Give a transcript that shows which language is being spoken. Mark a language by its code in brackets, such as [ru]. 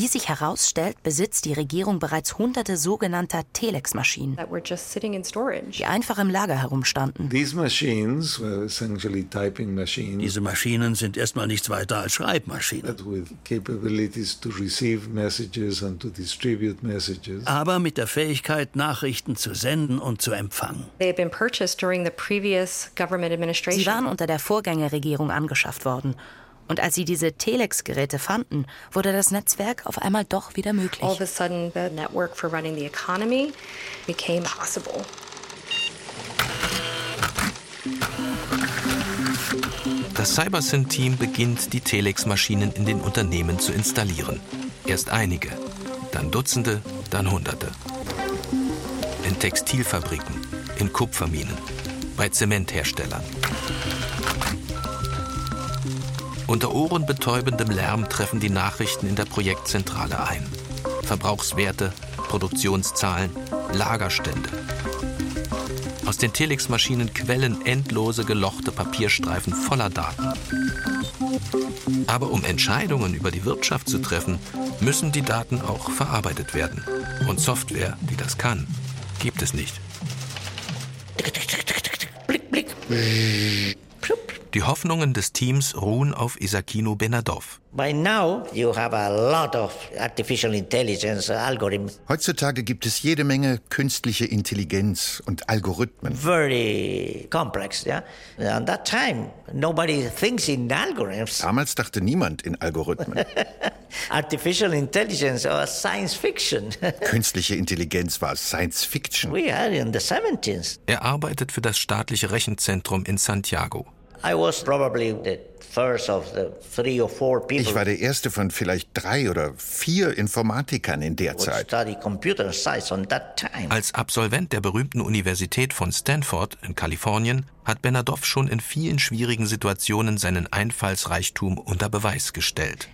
[de] Wie sich herausstellt, besitzt die Regierung bereits hunderte sogenannter Telex-Maschinen, [en] that were just sitting in storage, [de] die einfach im Lager herumstanden. [en] These machines were essentially typing machines, [de] diese Maschinen sind erstmal nichts weiter als Schreibmaschinen. [en] But with capabilities to receive messages and to distribute messages. [de] Aber mit der Fähigkeit, Nachrichten zu senden und zu empfangen. [en] They had been purchased during the previous government administration. [de] Sie waren unter der Vorgängerregierung angeschafft worden. Und als sie diese Telex-Geräte fanden, wurde das Netzwerk auf einmal doch wieder möglich. [en] All of a sudden, the network for running the economy became possible. [de] Das CyberSyn-Team beginnt, die Telex-Maschinen in den Unternehmen zu installieren. Erst einige, dann Dutzende, dann Hunderte. In Textilfabriken, in Kupferminen, bei Zementherstellern. Unter ohrenbetäubendem Lärm treffen die Nachrichten in der Projektzentrale ein. Verbrauchswerte, Produktionszahlen, Lagerstände. Aus den Telex-Maschinen quellen endlose gelochte Papierstreifen voller Daten. Aber um Entscheidungen über die Wirtschaft zu treffen, müssen die Daten auch verarbeitet werden. Und Software, die das kann, gibt es nicht. Blick, blick. Die Hoffnungen des Teams ruhen auf Isacchino Benadov. [en] By now you have a lot of artificial intelligence algorithms. [de] Heutzutage gibt es jede Menge künstliche Intelligenz und Algorithmen. [en] Very complex, yeah. At that time nobody thinks in algorithms. [de] Damals dachte niemand in Algorithmen. [en] Artificial intelligence or science fiction. [de] Künstliche Intelligenz war Science Fiction. [en] We are in the 70s. [de] Er arbeitet für das staatliche Rechenzentrum in Santiago. [en] I was probably the first of the three or four people. [de] Ich war der erste von vielleicht drei oder vier Informatikern in der Zeit. [en] Study computer science on that time. [de] Als Absolvent der berühmten Universität von Stanford in Kalifornien hat Benadov schon in vielen schwierigen Situationen seinen Einfallsreichtum unter Beweis gestellt.